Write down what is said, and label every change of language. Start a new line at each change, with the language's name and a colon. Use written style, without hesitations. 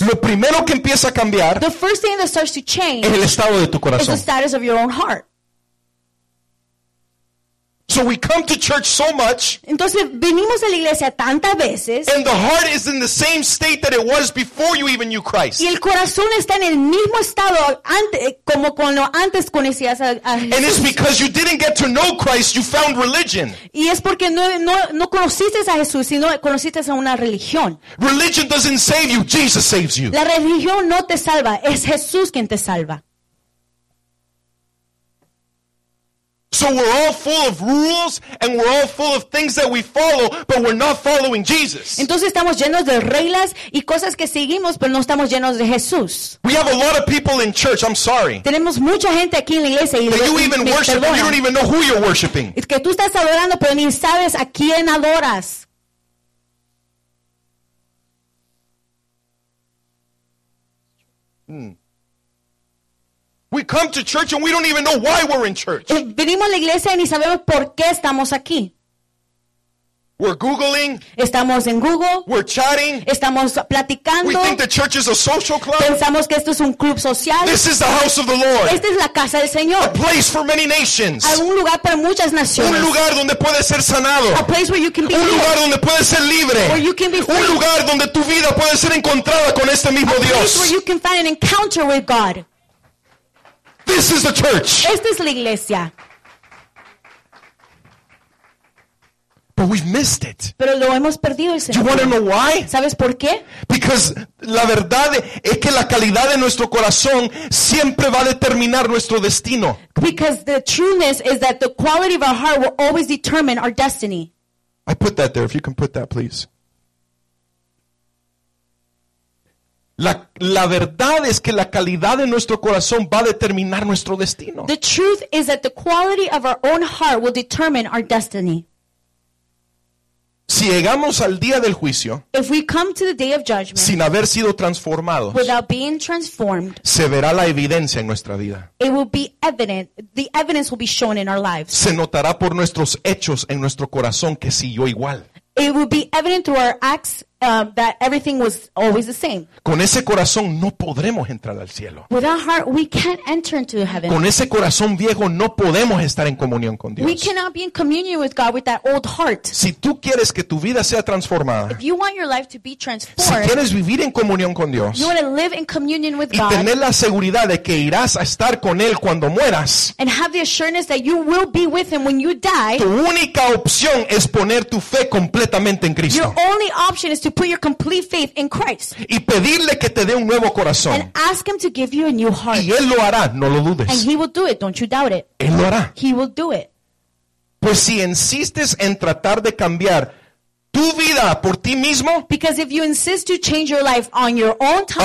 Spanish: lo primero que empieza a cambiar,
English: the first thing that starts to change,
Spanish: es el estado de tu corazón,
English: is the status of your own heart. So we come to church so much.
Spanish: Entonces venimos a la iglesia tantas veces.
English: And the heart is in the same state that it was before you even knew Christ.
Spanish: Y el corazón está en el mismo estado antes, como cuando antes conocías a Jesús.
English: And it's because you didn't get to know Christ, you found religion.
Spanish: Y es porque no conociste a Jesús, sino conociste a una religión.
English: Religion doesn't save you, Jesus saves you.
Spanish: La religión no te salva, es Jesús quien te salva.
English: So we're all full of rules and we're all full of things that we follow, but we're not following Jesus.
Spanish: Entonces estamos llenos de reglas y cosas que seguimos, pero no estamos llenos de Jesús.
English: We have a lot of people in church. I'm sorry.
Spanish: Tenemos mucha gente aquí en la iglesia.
English: But you even worship,
Spanish: perdona.
English: You don't even know who you're worshiping.
Spanish: Es que tú estás adorando, pero ni sabes a quién adoras.
English: We come to church and we don't even know why we're in church.
Spanish: Venimos a la iglesia y ni sabemos por qué estamos aquí.
English: We're Googling.
Spanish: Estamos en Google.
English: We're chatting.
Spanish: Estamos platicando.
English: We think the church is a social club.
Spanish: Pensamos que esto es un club social.
English: This is the house of the Lord.
Spanish: Esta es la casa del Señor.
English: A place for many nations.
Spanish: Un lugar para muchas naciones. Un lugar donde puedes ser sanado.
English: A place where you can be
Spanish: un lugar
English: healed.
Spanish: Donde puedes ser libre.
English: Where you can be free.
Spanish: Un lugar donde tu vida puede ser encontrada con este mismo a Dios.
English: Place where you can find an encounter with God. This is the church.
Spanish: Esta es la iglesia.
English: But we've missed it.
Spanish: Pero lo hemos perdido, el Señor.
English: You want to know why?
Spanish: ¿Sabes por qué?
English: Because
Spanish: la verdad es que la calidad de nuestro corazón siempre va a determinar nuestro destino.
English: Because the trueness is that the quality of our heart will always determine our destiny. I put that there. If you can put that, please.
Spanish: La verdad es que la calidad de nuestro corazón va a determinar nuestro destino.
English: The truth is that the quality of our own heart will determine our destiny.
Spanish: Si llegamos al día del juicio,
English: if we come to the day of judgment,
Spanish: sin haber sido transformados,
English: without being transformed,
Spanish: se verá la evidencia en nuestra vida.
English: It will be evident. The evidence will be shown in our lives.
Spanish: Se notará por nuestros hechos en nuestro corazón que siguió igual.
English: It will be evident through our acts that everything was always the same.
Spanish: Con ese corazón no podremos entrar al cielo.
English: With our heart, we can't enter into heaven.
Spanish: Con ese corazón viejo no podemos estar en comunión con Dios.
English: We cannot be in communion with God with that old heart.
Spanish: Si tú quieres que tu vida sea transformada,
English: if you want your life to be transformed,
Spanish: si quieres vivir en comunión con Dios,
English: you want to live in communion with God,
Spanish: y tener la seguridad de que irás a estar con Él cuando mueras,
English: and have the assurance that you will be with Him when you die,
Spanish: tu única opción es poner tu fe completamente en Cristo.
English: Your only option is to put your complete faith in Christ.
Spanish: Y pedirle que te dé un nuevo corazón.
English: And ask Him to give you a new heart.
Spanish: Y Él lo hará, no lo dudes.
English: And He will do it, don't you doubt it.
Spanish: Él lo hará.
English: He will do it.
Spanish: Pues si insistes en tratar de cambiar tu vida por ti mismo,
English: because if you insist to change your life on your own time,